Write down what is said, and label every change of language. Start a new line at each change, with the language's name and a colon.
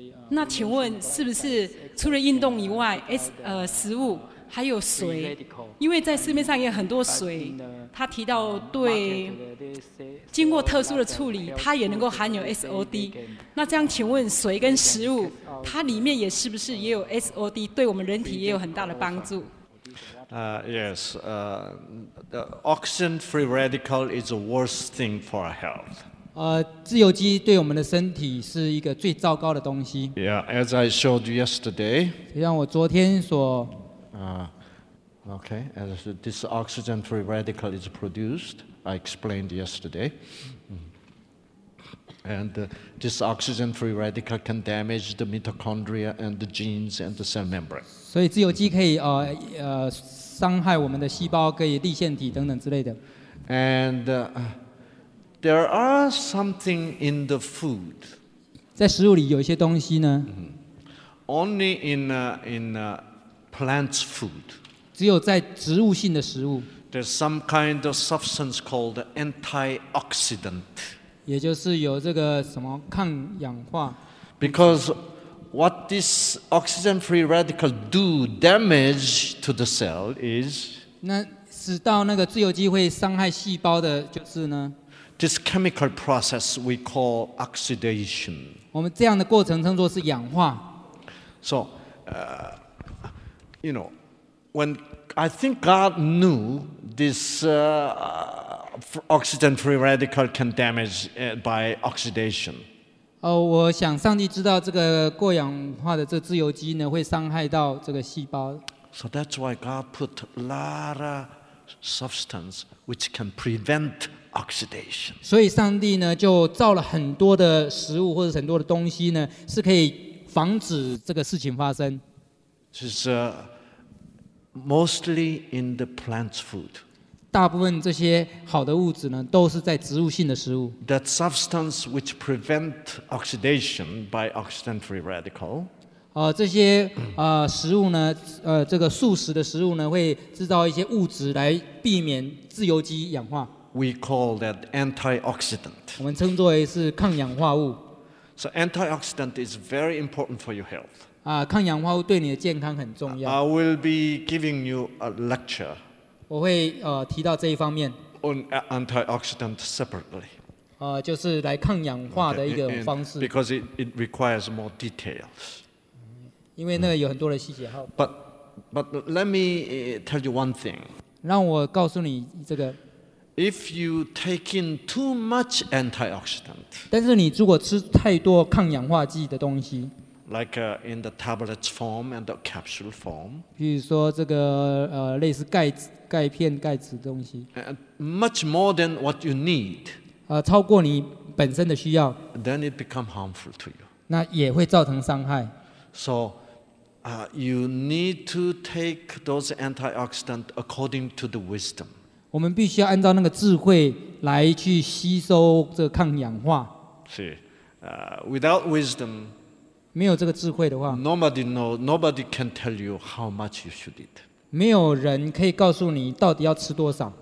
Chinese: 那请问是不是除了运动以外食物还有水？因为在市面上也很多水，他提到对经过特殊的处理它也能够含有 SOD。那这样请问水跟食物它里面也是不是也有 SOD， 对我们人体也有很大的帮助？
English: Yes, the oxygen free radical is the worst thing for our health.
Chinese: 自由基对我们的身体是一个最糟糕的东西。
English: Yeah, as I showed yesterday.
Chinese: 就像我昨天所。
English: As this oxygen free radical is produced, I explained yesterday. And this oxygen free radical can damage the mitochondria and the genes and the cell membrane.
Chinese: 所以自由基可以伤害我们的细胞，可以立腺体等等之类的。
English: And there are something in the food.
Chinese: 在食物里有一些东西呢。
English: Only in plant's food.
Chinese: 只有在植物性的食物。
English: There's some kind of substance called antioxidant.
Chinese: 也就是有这个什么抗氧化。
English: Because what this oxygen-free radical do damage to the cell is
Chinese: 那使到那个自由基会伤害细胞的就是呢
English: this chemical process we call oxidation.
Chinese: 我们这样的过程称作是氧化。
English: So, you know, when I think God knew this oxygen-free radical can damage by oxidation.
Chinese: 我想上帝知道这个过氧化的这自由基呢会伤害到这个细胞。
English: So that's why God put a lot of substance which can prevent oxidation.
Chinese: 所以上帝呢就造了很多的食物或者很多的东西呢是可以防止这个事情发生。
English: It's mostly in the plant's food.
Chinese: 大部分这些好的物质呢，都是在植物性的食物。
English: That substance which prevent oxidation by oxygen-free radical.
Chinese: 这些食物呢，这个素食的食物呢，会制造一些物质来避免自由基氧化。
English: We call that antioxidant.
Chinese: 我们称作为是抗氧化物。
English: So antioxidant is very important for your health.
Chinese: 抗氧化物对你的健康很重要。
English: I will be giving you a lecture.
Chinese: 我会提到这一方面。
English: On antioxidant separately.
Chinese: 就是来抗氧化的一个方式。
English: Okay, because it requires more details.
Chinese: 因为那个有很多的细节。
English: But let me tell you one thing.
Chinese: 让我告诉你这个。
English: If you take in too much antioxidant.
Chinese: 但是你如果吃太多抗氧化剂的东西。
English: Like in the tablet form and the capsule form.
Chinese: 比如说这个类似钙片、钙质东西。
English: Much more than what you need.
Chinese: 超过你本身的需要。
English: Then it become harmful to you.
Chinese: 那也会造成伤害。
English: So, you need to take those antioxidants according to the wisdom.
Chinese: 我们必须要按照那个智慧来去吸收这个抗氧化。
English: 是。Without wisdom.
Chinese: 没有这个智慧的话
English: ，Nobody know, nobody can tell you how much you should eat.
Chinese: 没有人可以告诉你到底要吃多少。